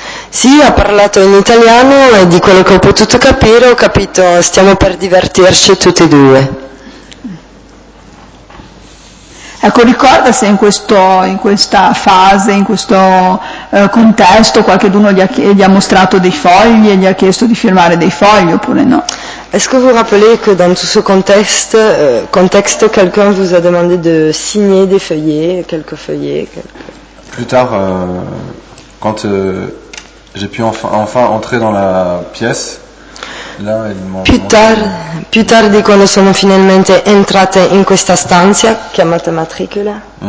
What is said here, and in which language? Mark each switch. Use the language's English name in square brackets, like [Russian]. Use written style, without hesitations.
[Italian] Sì, ha parlato in italiano e di quello che ho potuto capire, ho capito, stiamo per divertirci tutti e Ecco, ricorda se in questa fase, in questo contesto, qualcuno gli ha mostrato dei fogli e gli ha chiesto di firmare dei fogli oppure no? [French] Est-ce que vous rappelez que dans tout ce contexte, quelqu'un vous a demandé de signer des feuillets, quelques feuillets, Plus tard, quand j'ai pu enfin entrer dans la pièce, là, ils m'ont demandé [Italian] Più tardi, quando sono finalmente entrate in questa stanza, chiamata matricola,